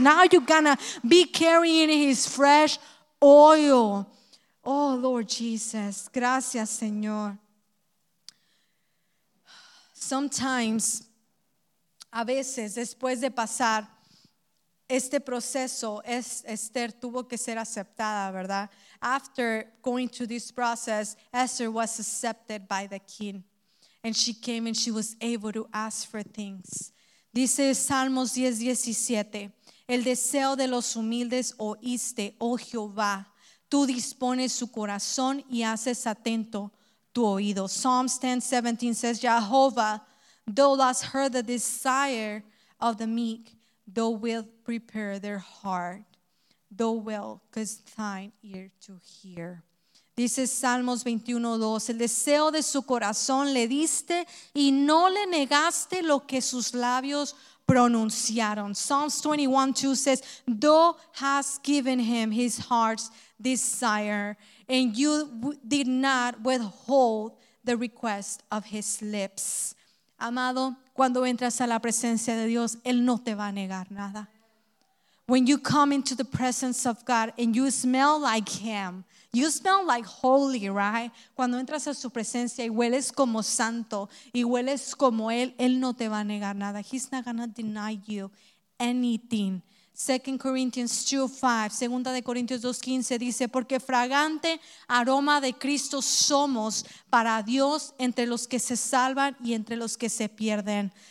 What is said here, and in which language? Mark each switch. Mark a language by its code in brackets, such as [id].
[en] Now you're gonna be carrying his fresh oil. Oh Lord Jesus, [es] gracias Señor. Sometimes, a veces, después de pasar este proceso, Esther tuvo que ser aceptada, ¿verdad? [en] After going through this process, Esther was accepted by the king. And she came and she was able to ask for things. [es] Dice Salmos 10:17, el deseo de los humildes oíste, oh Jehová. Tú dispones su corazón y haces atento tu oído. [en] Psalms 10:17 says, Jehovah, thou hast heard the desire of the meek, thou wilt prepare their heart, thou wilt cause thine ear to hear. [es] Dice Salmos 21:2, el deseo de su corazón le diste y no le negaste lo que sus labios pronunciaron. [en] Psalms 21:2 says, thou hast given him his heart's desire, and you did not withhold the request of his lips. [es] Amado, cuando entras a la presencia de Dios, él no te va a negar nada. [en] When you come into the presence of God and you smell like him, you smell like holy, right? [es] Cuando entras a su presencia y hueles como santo y hueles como él, él no te va a negar nada. [en] He's not gonna deny you anything. [es] 2 Corinthians 2:5, 2 de Corintios 2:15 dice, porque fragante aroma de Cristo somos para Dios entre los que se salvan y entre los que se pierden.